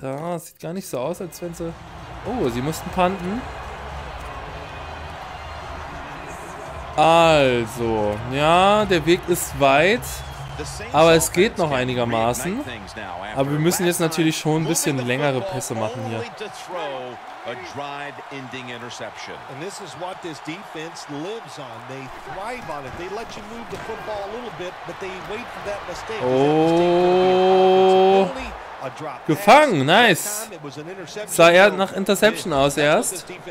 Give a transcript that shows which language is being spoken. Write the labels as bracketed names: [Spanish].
[German] Ja, sieht gar nicht so aus, als wenn sie... Oh, sie mussten punten. Also, ja, der Weg ist weit. Aber es geht noch einigermaßen. Aber wir müssen jetzt natürlich schon ein bisschen längere Pässe machen hier. [English] A drive-ending interception. And this is what this defense lives on. They thrive on it. They let you move the football a little bit, but they wait for that mistake. [German] Oh, gefangen, nice. Sah er nach Interception aus erst.